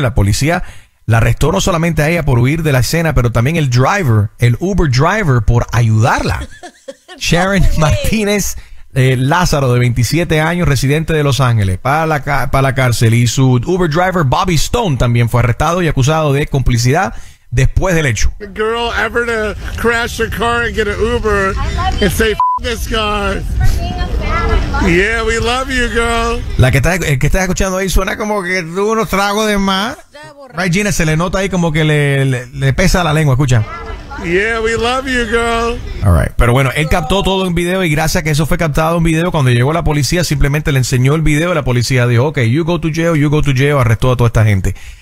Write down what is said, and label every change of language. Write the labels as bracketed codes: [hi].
[es] La policía la arrestó no solamente a ella por huir de la escena, pero también el driver, el Uber driver, por ayudarla. Sharon Martínez Lázaro, de 27 años, residente de Los Ángeles, para la cárcel. Y su Uber driver Bobby Stone también fue arrestado y acusado de complicidad después del hecho. [en] A girl ever to crash a car and get an Uber and say f*** this car. Yeah, we love you, girl. [es] La que está, el que está escuchando ahí suena como que tuvo unos tragos de más. Right, Gina, se le nota ahí como que le pesa la lengua, escucha. [en] Yeah, we love you, girl. All right. [es] Pero bueno, él captó todo en video y gracias a que eso fue captado en video, cuando llegó la policía simplemente le enseñó el video y la policía dijo, ok, [en] you go to jail, [es] arrestó a toda esta gente.